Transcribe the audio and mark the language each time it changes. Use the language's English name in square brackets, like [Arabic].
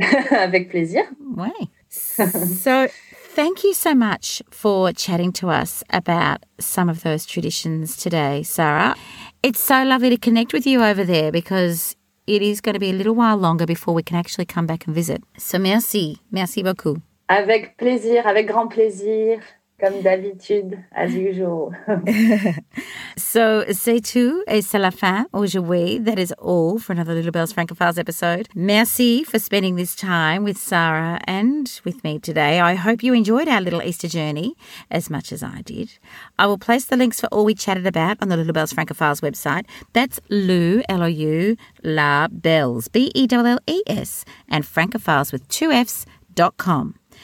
[French] Avec plaisir. [English] So thank you so much for chatting to us about some of those traditions today, Sarah. It's so lovely to connect with you over there because it is going to be a little while longer before we can actually come back and visit. [French] So merci. Merci beaucoup. Avec plaisir, avec grand plaisir, comme d'habitude, [English] as usual. [French] So c'est tout et c'est la fin aujourd'hui. [English] That is all for another Little Bells Francophiles episode. Merci for spending this time with Sarah and with me today. I hope you enjoyed our little Easter journey as much as I did. I will place the links for all we chatted about on the Little Bells Francophiles website. That's Lou, L-O-U, La Bells, B-E-L-L-E-S, and Francophiles with two Fs, .com.